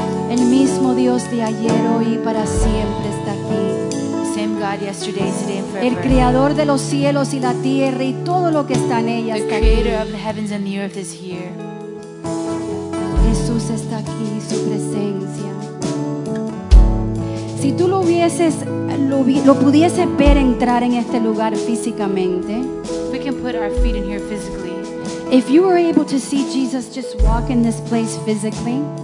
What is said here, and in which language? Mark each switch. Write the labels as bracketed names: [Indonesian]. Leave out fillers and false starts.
[Spanish] El mismo Dios de ayer, hoy y para siempre está aquí. [English] Same God yesterday, today and forever. [Spanish] El creador de los cielos y la tierra y todo lo que está en ella está aquí. [English] The creator of the heavens and the earth is here. [Spanish] Jesús está aquí, su presencia. Si tú lo pudieses ver entrar en este lugar físicamente. [English] We can put our feet in here physically. If you were able to see Jesus just walk in this place physically.